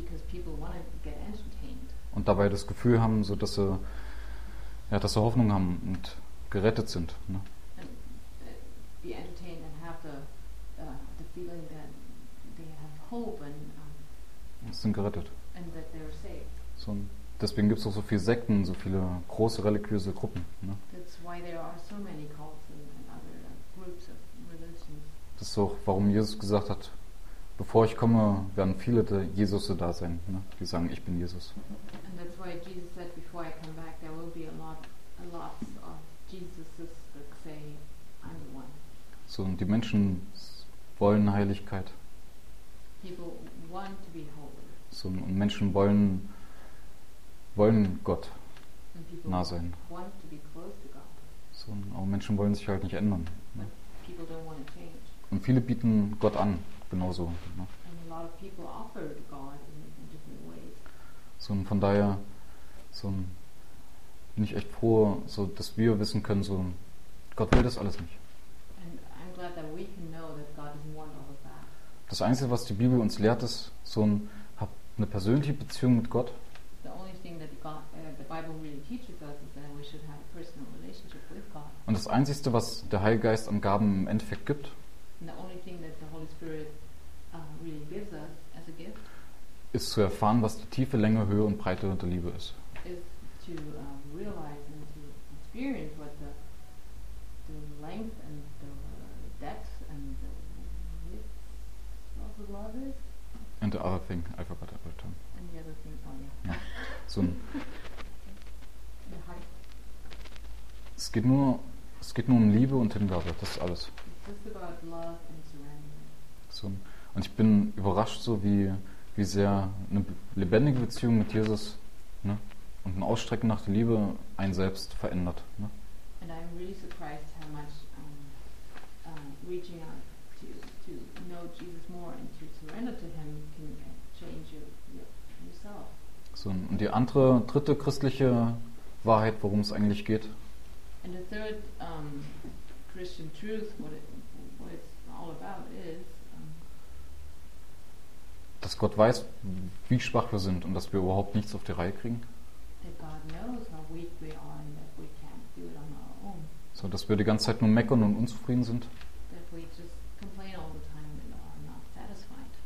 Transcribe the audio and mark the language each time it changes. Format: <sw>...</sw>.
<en>People want to get entertained.</en> <de>Und dabei das Gefühl haben, so dass sie, ja, dass sie Hoffnung haben und gerettet sind. Ne?</de> <en>And be entertained and have the feeling that they have hope and</en> <de>sind gerettet.</de> <en>And that they're safe.</en> <de>So, deswegen gibt es auch so viele Sekten, so viele große religiöse Gruppen. Ne?</de> <en>That's why there are so many cults and other groups of religions.</en> <de>Das ist auch, warum Jesus gesagt hat, bevor ich komme, werden viele der Jesus da sein, ne? Die sagen, ich bin Jesus.</de> <en>And that's why Jesus said before I come back there will be a lot of Jesuses that say I'm the one.</en> <de>So, und die Menschen wollen Heiligkeit.</de> <en>People want to be holy.</en> <de>So, und Menschen wollen Gott nah sein.</de> <en>Want to be close to God.</en> <de>So, aber Menschen wollen sich halt nicht ändern. Ne?</de> <en>People don't want to change.</en> <de>Und viele bieten Gott an. Genauso. Ne?</de> <en>And a lot of people offered God in different ways.</en> <de>So, und von daher so, bin ich echt froh, so, dass wir wissen können, so, Gott will das alles nicht.</de> <en>And I'm glad that we can know that God doesn't want all of that.</en> <de>Das Einzige, was die Bibel uns lehrt, ist, so, hab eine persönliche Beziehung mit Gott.</de> <en>The only thing that the Bible really teaches us is that we should have a personal relationship with God.</en> <de>Und das Einzige, was der Heilige Geist an Gaben im Endeffekt gibt,</de> <en>the only thing that the Holy Spirit really gives us as a gift is to</en> <de>erfahren, was die Tiefe, Länge, Höhe und Breite der Liebe ist.</de> <en>Is to realize and to experience what the length and the depth and the width of the love is. And the other thing, I forgot about the time. And the other thing, oh yeah.</en> <de>So ein</de> <en>the height.</en> <de>Es geht nur um Liebe und Hingabe, das ist alles.</de> <en>About love and</en> <de>so, und ich bin überrascht, so wie sehr eine lebendige Beziehung mit Jesus, ne, und ein Ausstrecken nach der Liebe einen selbst verändert. Ne?</de> <en>And I'm really surprised how much reaching out to know Jesus more and to surrender to him can change yourself.</en> <de>So, und die andere, dritte christliche Wahrheit, worum es eigentlich geht?</de> <en>And the third Christian truth, what it's all about is,</en> <de>dass Gott weiß, wie schwach wir sind und dass wir überhaupt nichts auf die Reihe kriegen.</de> <en>That God knows how weak we are and that we can't do it on our own.</en> <de>So, dass wir die ganze Zeit nur meckern und unzufrieden sind.</de> <en>That we just complain all the time and are not satisfied.</en>